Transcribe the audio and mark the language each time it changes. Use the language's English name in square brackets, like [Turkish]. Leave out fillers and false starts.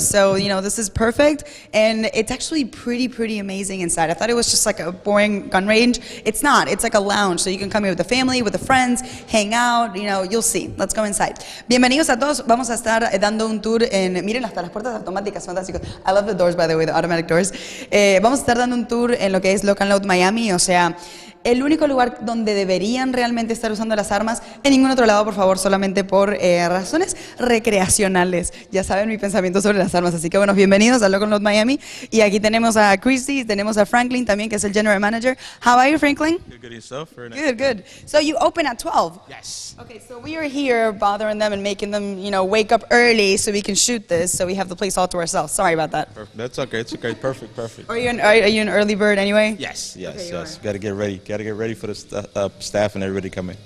[English] So, you know, this is perfect. And it's actually pretty, pretty amazing inside. I thought it was just like a boring gun range. It's not. It's like a lounge. So you can come here with the family, with the friends, hang out. You know, you'll see. Let's go inside. [Spanish] Bienvenidos a todos. Vamos a estar dando un tour en... Miren hasta las puertas automáticas. Fantástico. [English] I love the doors, by the way, the automatic doors. [Spanish] Vamos a estar dando un tour en lo que es Lock and Load Miami, o sea, el único lugar donde deberían realmente estar usando las armas, en ningún otro lado, por favor, solamente por razones recreacionales. Ya saben mi pensamiento sobre las armas, así que bueno, bienvenidos a Lock and Load Miami. Y aquí tenemos a Christy, tenemos a Franklin también, que es el General Manager. [English] How are you, Franklin? Good, yourself? Good, good. So you open at 12? Yes. Okay, so we are here bothering them and making them, you know, wake up early so we can shoot this, so we have the place all to ourselves. Sorry about that. That's okay, it's okay. Perfect, perfect. Are you an early bird anyway? Yes, yes, okay, yes. Got to get ready. Got to get ready for the staff and everybody coming.